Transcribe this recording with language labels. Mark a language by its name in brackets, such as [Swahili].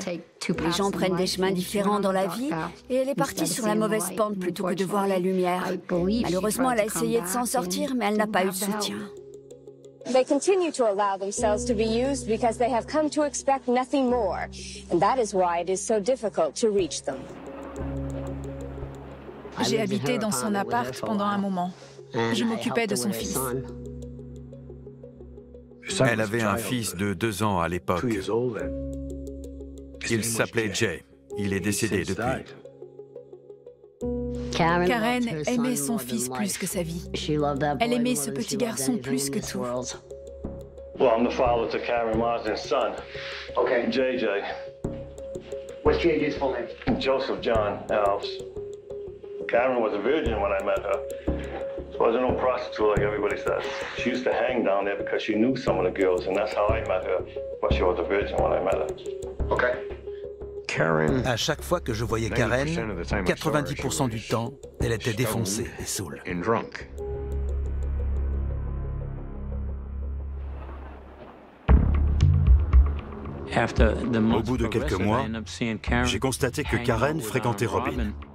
[French] Les gens prennent des chemins différents dans la vie et elle est partie sur la mauvaise pente plutôt que de voir la lumière. Malheureusement, elle a essayé de s'en sortir, mais elle n'a pas eu de soutien. [English] They continue to allow themselves to be used because they have come to expect nothing more. And that is why it is so difficult to reach them. [French] J'ai habité dans son appart pendant un moment. Je m'occupais de son fils. Elle avait un fils de 2 ans à l'époque. Il s'appelait Jay. Il est décédé depuis. Karen aimait son fils plus que sa vie. Elle aimait ce petit garçon plus que tout. [English] Well, I'm the father to Karen Marsden's son. Okay. JJ. What's JJ's full name? Joseph John Alves. Karen was a virgin when I met her. Wasn't no prostitute like everybody says. She used to hang down there because she knew some of the girls, and that's how I met her. But she was a virgin when I met her. Okay. Karen. [French] À chaque fois que je voyais Karen, 90% du temps, elle était défoncée et saoule. [English] And drunk. After the month, [French] au bout de quelques mois, j'ai constaté que Karen fréquentait Robin.